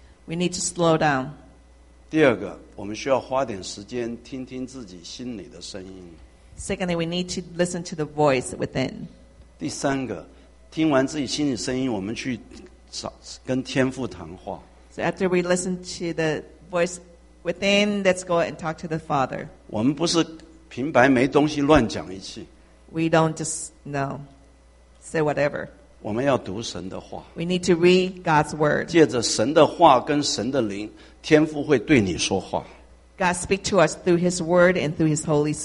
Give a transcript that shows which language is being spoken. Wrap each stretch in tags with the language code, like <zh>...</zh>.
<en>We need to slow down.</en> <zh>第二个, 我们需要花点时间听听自己心里的声音。</zh> <en>Secondly, we need to listen to the voice within.</en> <zh>第三个, 听完自己心里声音, 我们去找跟天父谈话。</zh> <en>So after we listen to the voice within, let's go and talk to the Father.</en> <zh>我们不是平白没东西乱讲一气。</zh> <en>We don't just, say whatever.</en> <zh>我们要读神的话。</zh> <en>We need to read God's word.</en> <zh>借着神的话跟神的灵, 天父会对你说话。</zh> <en>God speak to us through His Word and through His Holy Spirit.</en>